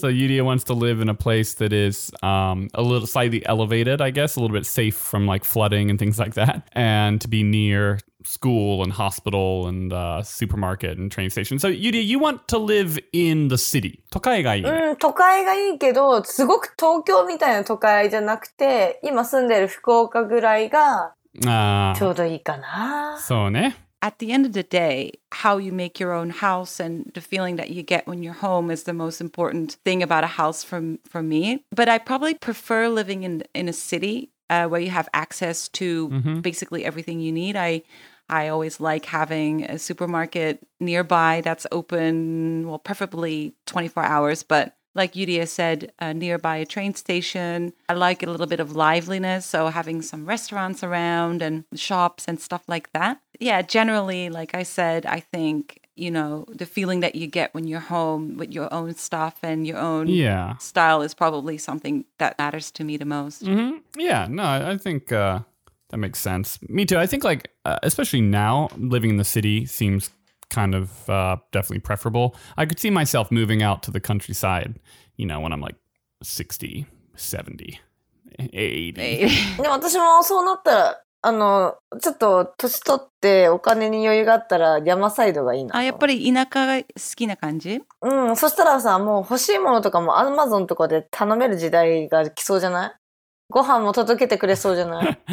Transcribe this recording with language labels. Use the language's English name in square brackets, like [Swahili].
[English] So Yuria wants to live in a place that is a little slightly elevated, I guess, a little bit safe from like flooding and things like that, and to be near school and hospital and supermarket and train station. So Yuria, you want to live in the city. [Japanese] 都会がいい、ね。うん、都会がいいけど、すごく東京みたいな都会じゃなくて、今住んでる福岡ぐらいがちょうどいいかな。そうね。 [English] At the end of the day, how you make your own house and the feeling that you get when you're home is the most important thing about a house for me. But I probably prefer living in a city where you have access to mm-hmm. basically everything you need. I always like having a supermarket nearby that's open, well, preferably 24 hours. But like Yuria said, nearby a train station. I like a little bit of liveliness, so having some restaurants around and shops and stuff like that. Yeah, generally, like I said, I think, you know, the feeling that you get when you're home with your own stuff and your own yeah. style is probably something that matters to me the most. Mm-hmm. Yeah, no, I think that makes sense. Me too. I think like, especially now, living in the city seems kind of definitely preferable. I could see myself moving out to the countryside, you know, when I'm like 60, 70, 80. [Japanese] でも私もそうなったら、ちょっと年取ってお金に余裕があったら山サイドがいいな。あ、やっぱり田舎が好きな感じ？うん、そしたらさ、もう欲しいものとかもアマゾンとかで頼める時代が来そうじゃない？ご飯も届けてくれそうじゃない？